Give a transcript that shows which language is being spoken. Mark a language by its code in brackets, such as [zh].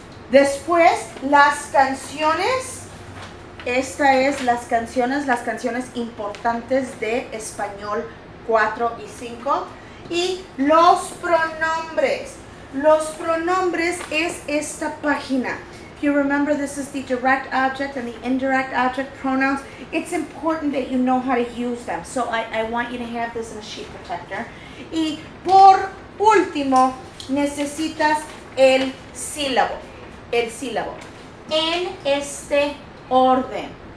[es] Después, las canciones. Esta es las canciones importantes de español 4 y 5. Y los pronombres. Los pronombres es esta página. [en] If you remember, this is the direct object and the indirect object pronouns. It's important that you know how to use them. So I want you to have this in a sheet protector. [es] Y por último, necesitas el sílabo. En este orden.